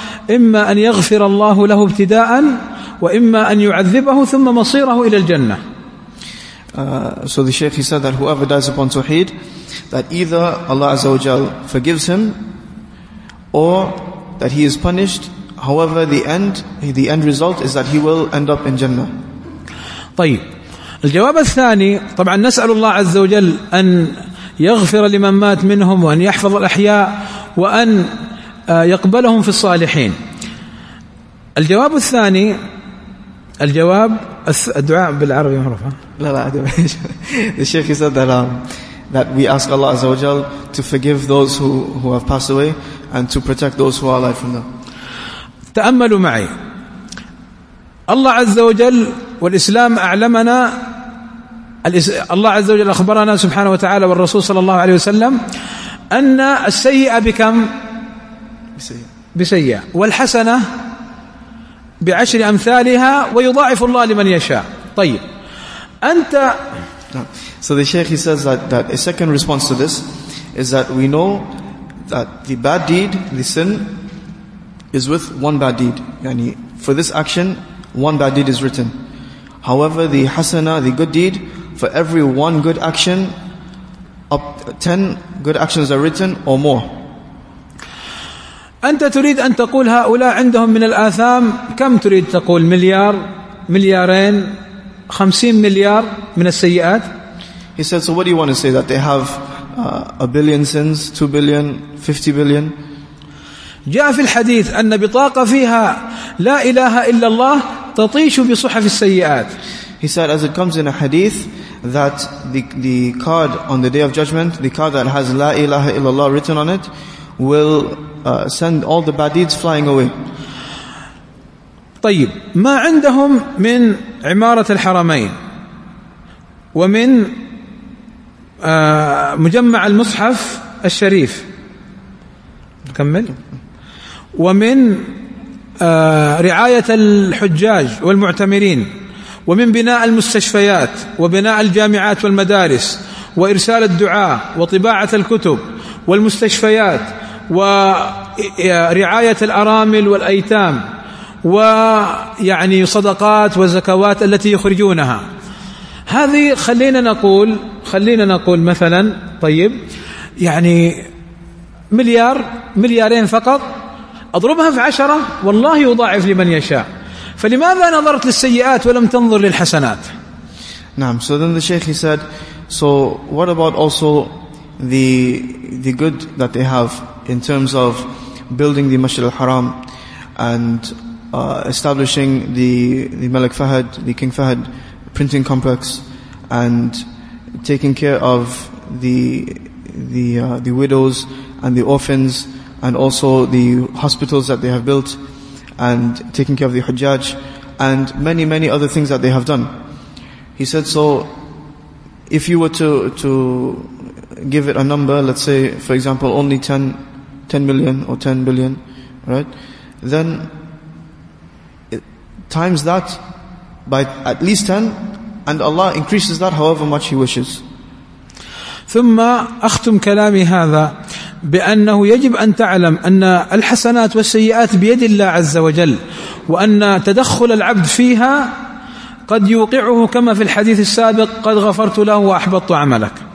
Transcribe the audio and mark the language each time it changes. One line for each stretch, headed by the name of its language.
Arabic: إما أن يغفر الله له ابتداء وإما أن يعذبه ثم مصيره إلى الجنة.
English: So the Shaykh, he said that whoever dies upon Tawheed, that either Allah Azza wa Jal forgives him or that he is punished. However, the end result is that he will end up in Jannah.
Arabic: طيب الجواب الثاني طبعا نسأل الله عز وجل أن يغفر لمن مات منهم وأن يحفظ الأحياء وأن يقبلهم في الصالحين. الجواب الثاني الجواب الدعاء بالعربي معروف. لا لا
English: the Sheikh said that that we ask Allah Azza wa Jal to forgive those who have passed away and to protect those who are alive from them.
Arabic: تأملوا معي. الله عز وجل والإسلام أعلمنا الله عز وجل أخبرنا سبحانه وتعالى والرسول صلى الله عليه وسلم أن السيئة بكم؟ بسيئة والحسنة بعشر أمثالها ويضاعف الله لمن يشاء. طيب أنت
English: So the Sheikh he says that, that a second response to this is that we know that the bad deed, the sin is with one bad deed. يعني for this action one bad deed is written. However, the hasana, the good deed, for every one good action, up 10 good actions are written or more.
Arabic: أنت تريد أن تقول هؤلاء عندهم من الآثام كم تريد تقول مليار مليارين 50 مليار من السيئات.
English: He said, so what do you want to say, that they have a billion sins, 2 billion, 50 billion?
Arabic: جاء في الحديث أن بطاقة فيها لا إله إلا الله تطيش بصحف السيئات.
English: He said, as it comes in a hadith, that the card on the day of judgment, the card that has La ilaha illallah written on it, will send all the bad deeds flying away.
Arabic: طيب ما عندهم من عمارة الحرمين ومن مجمع المصحف الشريف نكمل ومن رعاية الحجاج والمعتمرين ومن بناء المستشفيات وبناء الجامعات والمدارس وإرسال الدعاء وطباعة الكتب والمستشفيات ورعاية الأرامل والأيتام ويعني صدقات وزكوات التي يخرجونها. هذه خلينا نقول مثلا طيب يعني مليار مليارين فقط أضربها في عشرة والله يضاعف لمن يشاء. فلماذا نظرت للسيئات ولم تنظر للحسنات؟ نعم.
English: So then the Sheikh he said, so what about also the good that they have in terms of building the Masjid al-Haram and establishing the Malik Fahad, the King Fahad printing complex, and taking care of the widows and the orphans, and also the hospitals that they have built, and taking care of the Hujjaj, and many, many other things that they have done. He said, so if you were to give it a number, let's say, for example, only 10 million or 10 billion, right? Then it times that by at least 10, and Allah increases that however much He wishes.
Arabic: ثم أختم كلامي هذا بأنه يجب أن تعلم أن الحسنات والسيئات بيد الله عز وجل وأن تدخل العبد فيها قد يوقعه كما في الحديث السابق قد غفرت له وأحبطت عملك.